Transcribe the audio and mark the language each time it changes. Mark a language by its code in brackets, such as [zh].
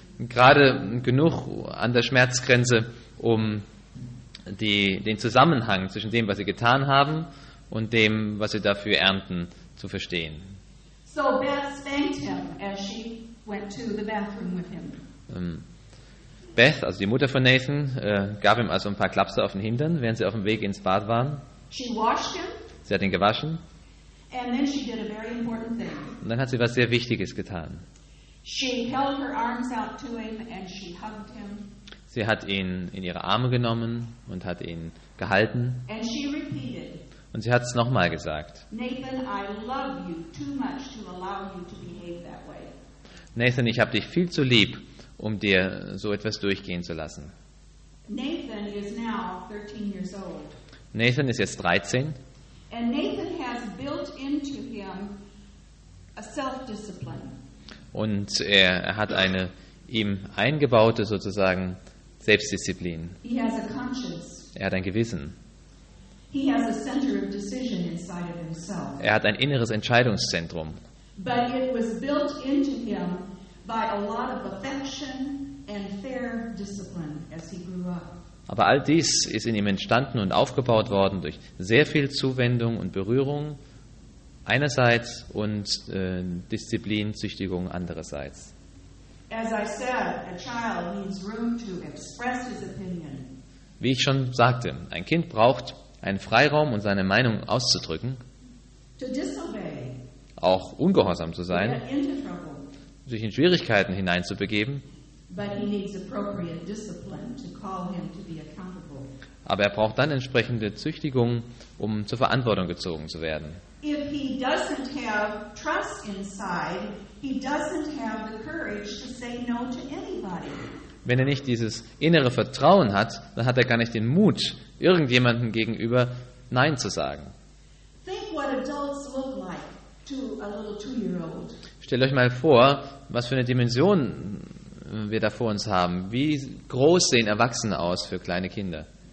[de] Gerade genug an der Schmerzgrenze, um den Zusammenhang zwischen dem, was sie getan haben, und dem, was sie dafür ernten, zu verstehen. [en] So Beth spanked him as she went to the bathroom with him. [de] Beth, also die Mutter von Nathan, gab ihm also ein paar Klapse auf den Hintern, während sie auf dem Weg ins Bad waren. [en] She washed him. [de] Sie hat ihn gewaschen. [en] And then she did a very important thing. [de] Und dann hat sie was sehr Wichtiges getan. [en] She held her arms out to him and she hugged him. [de] Sie hat ihn in ihre Arme genommen und hat ihn gehalten. [en] And she repeated. [de] Und sie hat es nochmal gesagt. [en] Nathan, I love you too much to allow you to behave that way. [de] Nathan, ich habe dich viel zu lieb, um dir so etwas durchgehen zu lassen. [en] Nathan is now 13 years old. [de] Nathan ist jetzt 13. [en] And Nathan has built into him a self-discipline. [de] Und er hat eine ihm eingebaute sozusagen Selbstdisziplin. [en] He has a conscience. [de] Er hat ein Gewissen. [en] He has a center of decision inside of himself. [de] Er hat ein inneres Entscheidungszentrum. [en] But it was built into him by a lot of affection and fair discipline as he grew up. [de] Aber all dies ist in ihm entstanden und aufgebaut worden durch sehr viel Zuwendung und Berührung einerseits und Disziplin, Züchtigung andererseits. [en] As I said, a child needs room to express his opinion. [de] Wie ich schon sagte, ein Kind braucht einen Freiraum, um seine Meinung auszudrücken, [en] to disobey, [de] auch ungehorsam zu sein, [en] to get into trouble, [de] sich in Schwierigkeiten hineinzubegeben, [en] but he needs appropriate discipline to call him to be accountable. [de] Aber er braucht dann entsprechende Züchtigung, um zur Verantwortung gezogen zu werden. [en] If he doesn't have trust inside, he doesn't have the courage to say no to anybody. [de] Wenn er nicht dieses innere Vertrauen hat, dann hat er gar nicht den Mut, irgendjemandem gegenüber Nein zu sagen. [en] Think what adults look like to a little 2-year-old. [de] Stellt euch mal vor, was für eine Dimension wir da vor uns haben. Wie groß sehen Erwachsene aus für kleine Kinder?